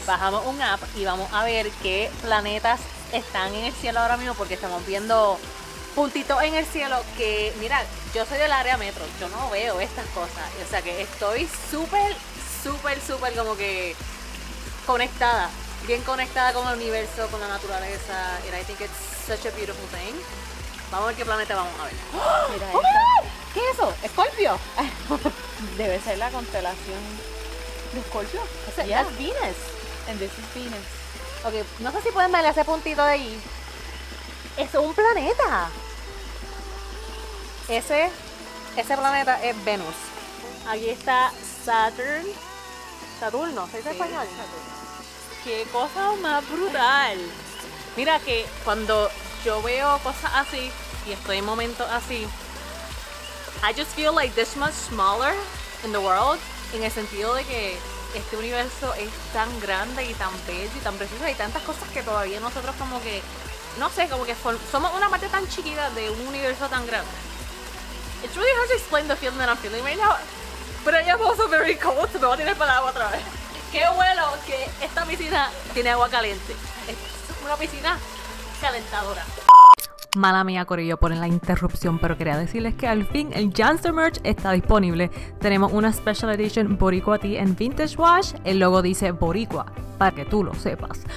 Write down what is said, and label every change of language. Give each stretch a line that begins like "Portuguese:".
Spanish: Bajamos un app y vamos a ver qué planetas están en el cielo ahora mismo porque estamos viendo puntitos en el cielo que, mira, yo soy del área metro, yo no veo estas cosas. O sea que estoy súper, súper, súper como que conectada. Bien conectada con el universo, con la naturaleza.
English: And I think it's such a beautiful thing.
Spanish: Vamos a ver qué planeta vamos a ver. Mira,
English: ¡oh, my God!
Spanish: ¿Qué es eso? ¿Escorpio? Debe ser la constelación de Escorpio. O sea,
English: yeah. That's Venus. And this is Venus.
Spanish: Ok, no sé si pueden ver ese puntito de ahí. ¡Es un planeta! Ese planeta es Venus. Aquí está Saturn. Saturno, ¿se dice español? Saturno. ¡Qué cosa más brutal! Mira que cuando yo veo cosas así y estoy en momentos así,
English: I just feel like this much smaller in the world,
Spanish: en el sentido de que este universo es tan grande y tan bello y tan precioso, hay tantas cosas que todavía nosotros como que, no sé, como que somos una parte tan chiquita de un universo tan grande.
English: It's really hard to explain the feeling that I'm feeling right now, but I am also very cold, so
Spanish: me voy a tirar para el agua otra vez. Qué bueno que esta piscina tiene agua caliente. Es una piscina calentadora. Mala mía, corillo, por la interrupción, pero quería decirles que al fin el Janster merch está disponible. Tenemos una special edition Boricua Tee en Vintage Wash. El logo dice Boricua, para que tú lo sepas.